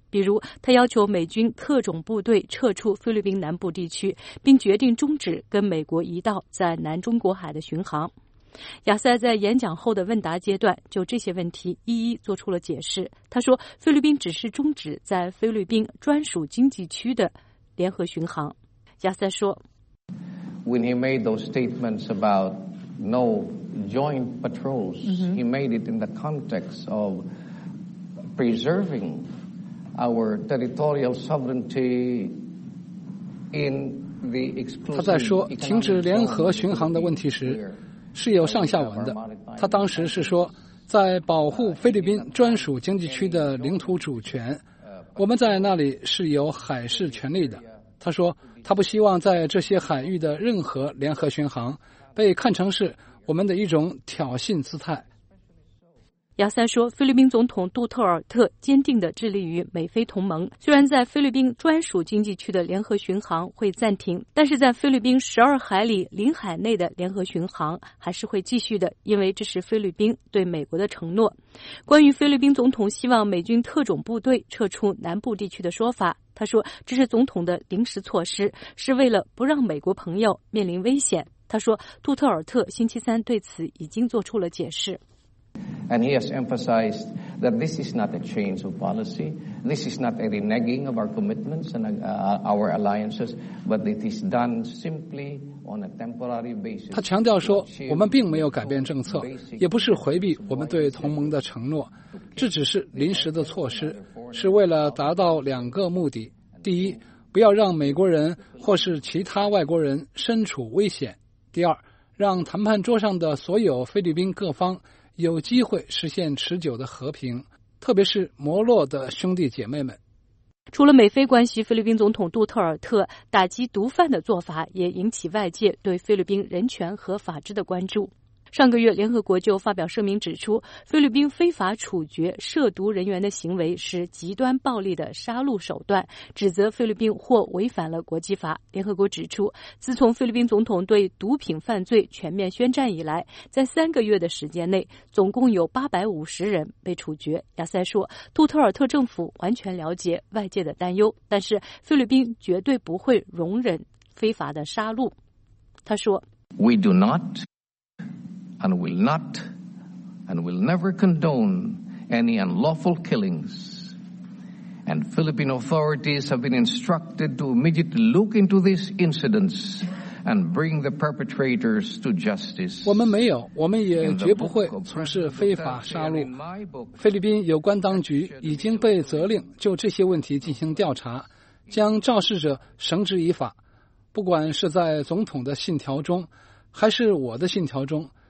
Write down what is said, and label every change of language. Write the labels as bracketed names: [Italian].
[Chinese] 比如他要求美军特种部队撤出菲律宾南部地区，并决定终止跟美国一道在南中国海的巡航。亚塞在演讲后的问答阶段就这些问题一一做出了解释。他说，菲律宾只是终止在菲律宾专属经济区的联合巡航。亚塞说 [English] When he made those statements about no joint patrols, he made it in the context of preserving our territorial sovereignty in the exclusive. [Chinese] 他在说停止联合巡航的问题时是有上下文的，他当时是说在保护菲律宾专属经济区的领土主权，我们在那里是有海事权利的。他说他不希望在这些海域的任何联合巡航被看成是我们的一种挑衅姿态。亚塞说，菲律宾总统杜特尔特坚定地致力于美菲同盟，虽然在菲律宾专属经济区的联合巡航会暂停，但是在菲律宾12海里领海内的联合巡航还是会继续的，因为这是菲律宾对美国的承诺。关于菲律宾总统希望美军特种部队撤出南部地区的说法，他说这是总统的临时措施，是为了不让美国朋友面临危险。他说杜特尔特星期三对此已经做出了解释。 [English] And he has emphasized that this is not a change of policy, This is not a reneging of our commitments and our alliances, but it is done simply on a temporary basis. [Chinese] 他强调说，我们并没有改变政策，也不是回避我们对同盟的承诺，这只是临时的措施，是为了达到两个目的：第一，不要让美国人或是其他外国人身处危险；第二，让谈判桌上的所有菲律宾各方有机会实现持久的和平，特别是摩洛的兄弟姐妹们。除了美菲关系，菲律宾总统杜特尔特打击毒贩的做法也引起外界对菲律宾人权和法治的关注。上个月，联合国就发表声明指出，菲律宾非法处决涉毒人员的行为是极端暴力的杀戮手段，指责菲律宾或违反了国际法。联合国指出，自从菲律宾总统对毒品犯罪全面宣战以来，在三个月的时间内，总共有850人被处决。亚塞说，杜特尔特政府完全了解外界的担忧，但是菲律宾绝对不会容忍非法的杀戮。他说 [English] We do notAnd will not, and will never condone any unlawful killings. And Philippine authorities have been instructed to immediately look into these incidents and bring the perpetrators to justice. [Chinese] 我们没有，我们也绝不会从事非法杀戮。菲律宾有关当局已经被责令就这些问题进行调查，将肇事者绳之以法。不管是在总统的信条中，还是我的信条中。